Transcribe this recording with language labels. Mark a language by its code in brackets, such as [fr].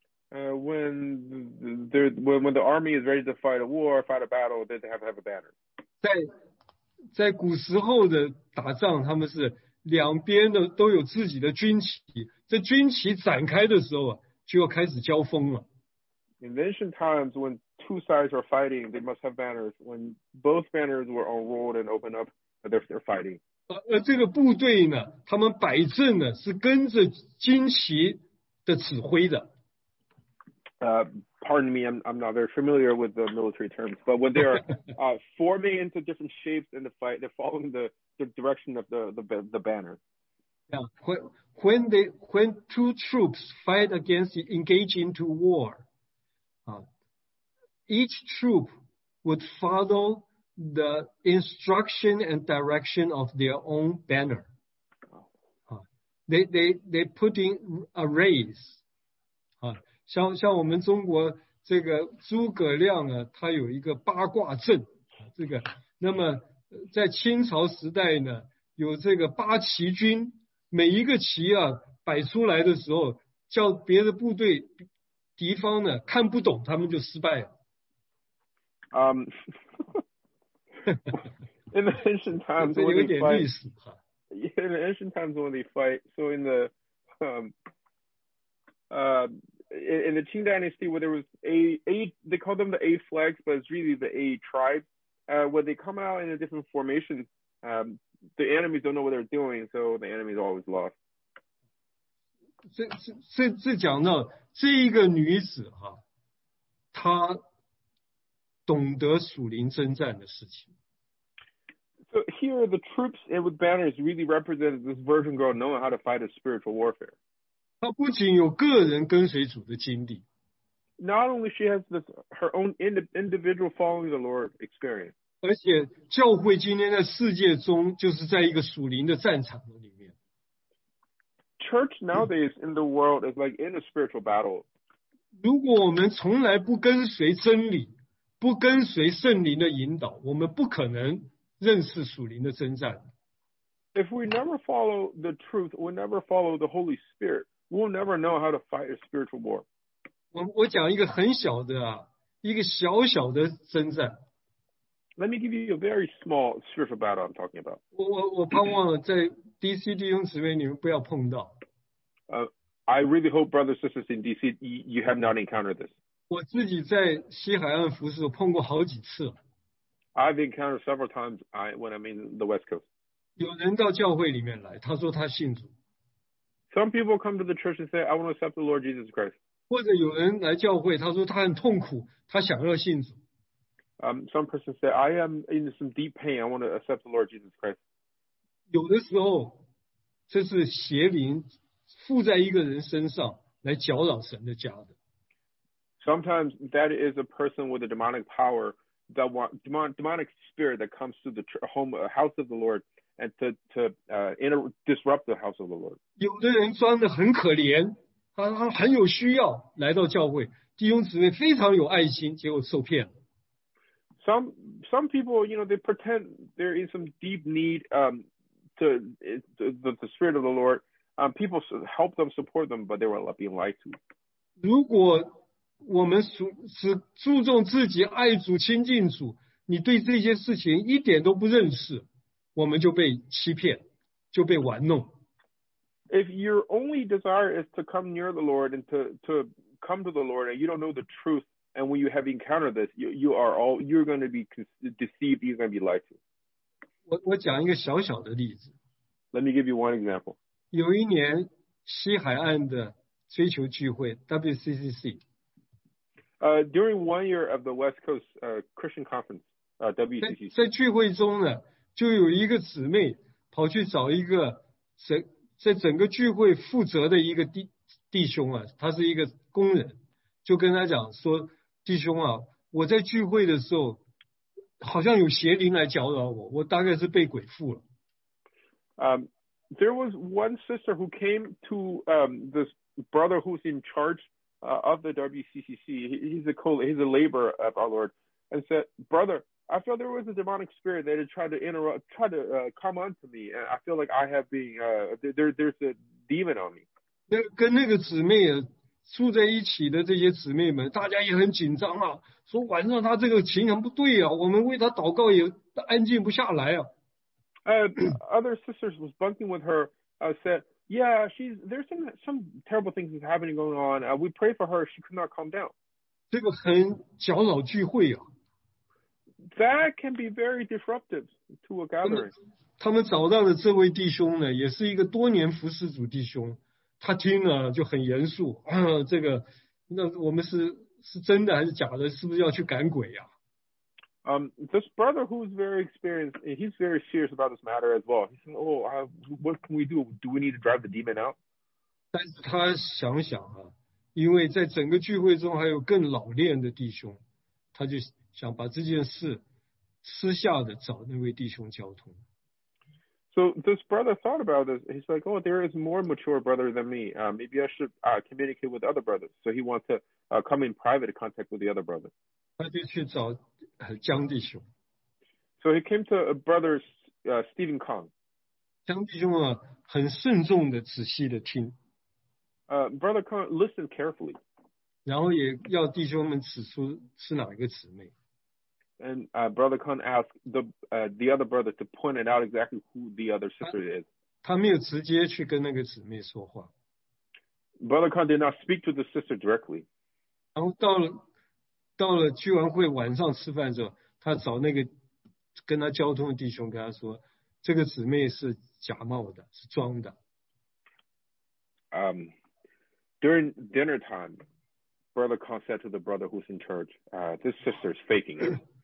[en] When the army is ready to fight a war, fight a battle, they have to have a banner. [zh] 在古时候的打仗，他们是。两边的都有自己的军旗，这军旗展开的时候啊，就要开始交锋了。 [en] In ancient times, when two sides are fighting, they must have banners. When both banners were unrolled and opened up, they're fighting. [zh] 而这个部队呢，他们摆阵呢，是跟着军旗的指挥的。 [en] Pardon me, I'm not very familiar with the military terms, but when they are forming into different shapes in the fight, they're following the direction of the banner. Yeah, when two troops fight against engage into war, each troop would follow the instruction and direction of their own banner. They put in arrays. [zh] 像我们中国这个诸葛亮啊，他有一个八卦阵，这个那么在清朝时代呢，有这个八旗军每一个旗啊摆出来的时候，叫别的部队敌方呢看不懂，他们就失败了。 [en] In the ancient times, when they fight, in the ancient times when they fight, so in the Qing Dynasty, where there was they called them the A flags, but it's really the A tribe. When they come out in a different formation, the enemies don't know what they're doing, so the enemy's always lost. [zh] 这讲到这一个女子哈，她懂得属灵征战的事情。 [en] So here, the troops and with banners really represented this virgin girl knowing how to fight a spiritual warfare. [zh] 她不仅有个人跟随主的经历。 [en] Not only she has this her own individual following the Lord experience. [zh] 而且教会今天在世界中就是在一个属灵的战场里面。 [en] Church nowadays in the world is like in a spiritual battle. [zh] 如果我们从来不跟随真理，不跟随圣灵的引导，我们不可能认识属灵的征战。 [en] If we never follow the truth, we never follow the Holy Spirit, we'll never know how to fight a spiritual war. [zh] 我讲一个很小的啊，一个小小的征战。 [en] Let me give you a very small spiritual battle I'm talking about. [zh] 我盼望在DC 弟兄姊妹，你们不要碰到。 [en] I really hope brothers and sisters in DC, you have not encountered this. [zh] 我自己在西海岸服侍，碰过好几次。 [en] I've encountered several times when I'm in the West Coast. [zh] 有人到教会里面来，他说他信主。 [en] Some people come to the church and say, I want to accept the Lord Jesus Christ. [zh] 或者有人来教会，他说他很痛苦，他想要信主。 [en] Some person say, I am in some deep pain, I want to accept the Lord Jesus Christ. [zh] 有的时候，这是邪灵附在一个人身上来搅扰神的家的。 [en] Sometimes that is a person with a demonic power, that demonic spirit that comes to the home, house of the Lord, and to disrupt the house of the Lord. [zh] 有的人装得很可怜，他很有需要来到教会，弟兄姊妹非常有爱心，结果受骗了。 [en] Some people, you know, they pretend they're in some deep need, To the spirit of the Lord, people help them, support them, but they were being lied to. [zh] 如果我们是注重自己爱主亲近主，你对这些事情一点都不认识，我们就被欺骗，就被玩弄。 [en] If your only desire is to come near the Lord and to come to the Lord, and you don't know the truth, and when you have encountered this, you're going to be deceived. You're going to be lied to. [zh] 我讲一个小小的例子。 [en] Let me give you one example. [zh] 有一年西海岸的追求聚会 WCCC。 [en] During one year of the West Coast Christian Conference, WCCC. [zh] 在聚会中呢，就有一个姊妹跑去找一个在整个聚会负责的一个弟兄啊，他是一个工人，就跟他讲说，弟兄啊，我在聚会的时候好像有邪灵来搅扰我，我大概是被鬼附了。 [en] There was one sister who came to this brother who's in charge of the WCCC. He's a laborer of our Lord, and said, "Brother, I feel there was a demonic spirit that had tried to come onto me, and I feel like I have been there's a demon on me." [zh] 跟那个姊妹住在一起的这些姊妹们，大家也很紧张啊。说晚上他这个情形不对啊，我们为他祷告也安静不下来啊。 [en] Other sisters was bunking with her. Said, "Yeah, there's some terrible things is happening going on. We pray for her. She could not calm down." [zh] 这个很搅扰聚会啊。 [en] That can be very disruptive to a gathering. [zh] 他们找到的这位弟兄呢，也是一个多年服侍主弟兄，他听了就很严肃。这个，那我们是真的还是假的？是不是要去赶鬼呀、 [en] This brother who's very experienced, he's very serious about this matter as well. He said, what can we do? Do we need to drive the demon out? [zh] 但是他想想啊，因为在整个聚会中还有更老练的弟兄，他就想把这件事私下的找那位弟兄交通。 [en] So this brother thought about this. He's like, there is more mature brother than me. Maybe I should communicate with other brothers. So he wants to come in private contact with the other brother. [zh] 他就去找江弟兄。 [en] So he came to a brother, Stephen Kong. [zh] 当弟兄啊，很慎重的、仔细的听。 [en] Brother Cohen, listen carefully. [zh] 然后也要弟兄们指出是哪一个姊妹。 [en] And Brother Cohen asked the other brother to point it out exactly who the other sister is. [zh] 他没有直接去跟那个姊妹说话。 [en] Brother Cohen did not speak to the sister directly. [zh] 然后到了聚完会晚上吃饭的时候，他找那个跟他交通的弟兄跟他说，这个姊妹是假冒的，是装的。 [en] During dinner time, Brother Cohen said to the brother who's in charge, this sister is faking it.